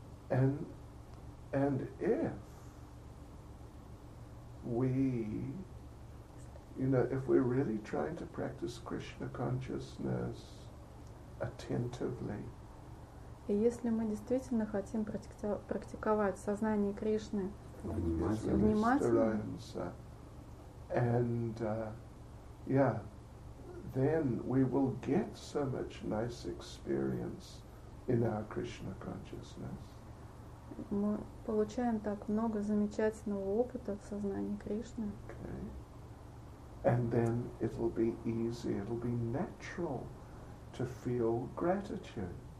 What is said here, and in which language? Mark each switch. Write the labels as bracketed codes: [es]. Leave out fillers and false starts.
[en] And if we, you know, if we're really trying to practice Krishna consciousness attentively, [ru] и если мы действительно хотим практиковать сознание Кришны внимательно, [en] and yeah, then we will get so much nice experience in our Krishna consciousness. [ru] Мы получаем так много замечательного опыта в сознании Кришны. [en] Okay. And then it'll be easy, it'll be natural to feel gratitude.